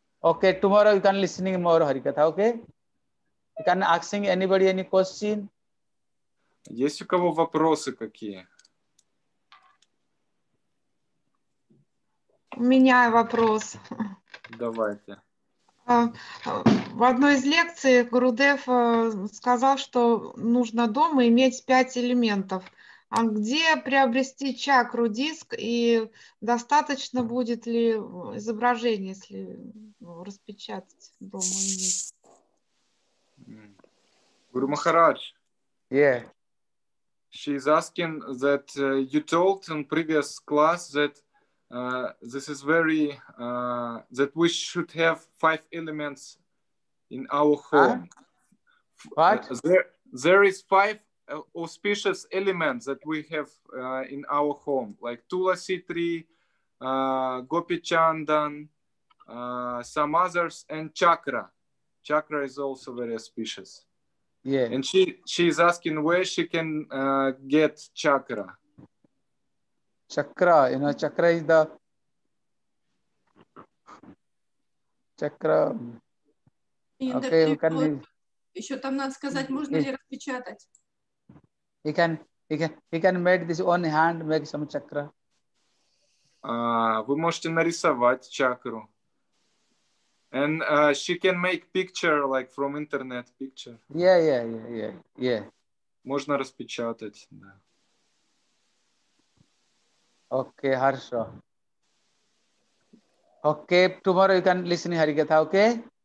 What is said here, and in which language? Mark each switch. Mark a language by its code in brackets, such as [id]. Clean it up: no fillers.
[en] okay tomorrow you can listening more Hari katha okay you can asking anybody any question [ru] есть у кого вопросы какие У меня вопрос. Давайте. В одной из лекций Гурудев сказал, что нужно дома иметь 5 элементов. А где приобрести чакру, диск, и достаточно будет ли изображение, если распечатать дома? Гуру Махарадж. [en] Yeah. She's asking that you told in previous class that this is very that we should have 5 elements in our home. What? There is 5 auspicious elements that we have in our home, like Tulasi tree, Gopi Chandan, some others, and chakra. Chakra is also very auspicious. Yeah. And she is asking where she can get chakra. Chakra, you know, chakra is the chakra. Okay, you can. [ru] Еще там надо сказать, можно ли распечатать? [en] He can make this on hand, make some chakra. [ru] Вы можете нарисовать чакру. [en] And she can make picture like from internet picture. Yeah. [ru] Можно распечатать, да. [en] Okay, Harsha. Okay, tomorrow you can listen to Harikatha, okay?